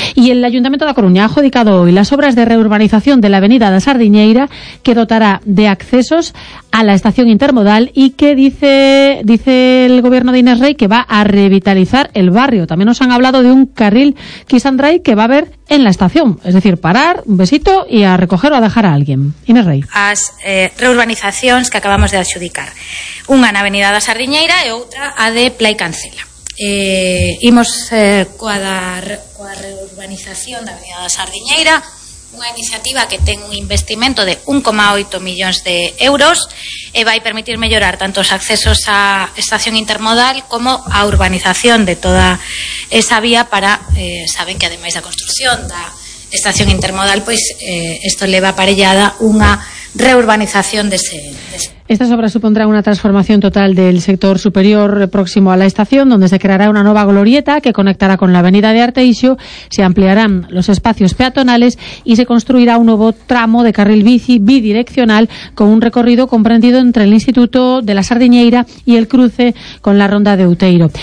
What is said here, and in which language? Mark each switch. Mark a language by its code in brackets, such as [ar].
[es] Y el Ayuntamiento de La Coruña ha adjudicado hoy las obras de reurbanización de la avenida de Sardiñeira, que dotará de accesos a la estación intermodal y que dice el gobierno de Inés Rey que va a revitalizar el barrio. También nos han hablado de un carril Kiss and Ride que va a haber en la estación, es decir, parar, un besito y a recoger o a dejar a alguien. Inés Rey. [gl] As reurbanizacións que acabamos de adxudicar. Unha na Avenida da Sardiñeira e outra a de Plai Cancela. Imos coa reurbanización da Avenida da Sardiñeira, unha iniciativa que ten un investimento de 1,8 millóns de euros e vai permitir mellorar tanto os accesos á estación intermodal como á urbanización de toda esa vía saben que ademais da construcción da estación intermodal, pois isto leva aparellada unha reurbanización dese. [es] Estas obras supondrán una transformación total del sector superior próximo a la estación, donde se creará una nueva glorieta que conectará con la avenida de Arteixo, se ampliarán los espacios peatonales y se construirá un nuevo tramo de carril bici bidireccional con un recorrido comprendido entre el Instituto de la Sardiñeira y el cruce con la Ronda de Outeiro.